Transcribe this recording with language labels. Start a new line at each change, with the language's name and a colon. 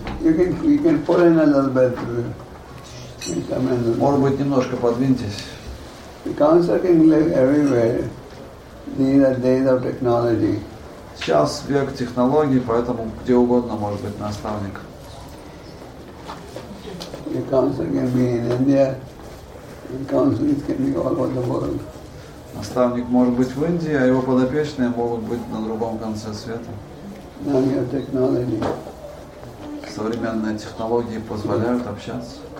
English: You can pull in a little bit.
Russian: Может быть, немножко подвиньтесь.
English: Counselor can live everywhere. These are days of technology.
Russian: Сейчас век технологий, поэтому где угодно может быть наставник.
English: The counselor can be in India. The counselors can be all over the world.
Russian: Наставник может быть в Индии, а его подопечные могут быть на другом конце света.
English: Now we have technology.
Russian: Современные технологии позволяют общаться.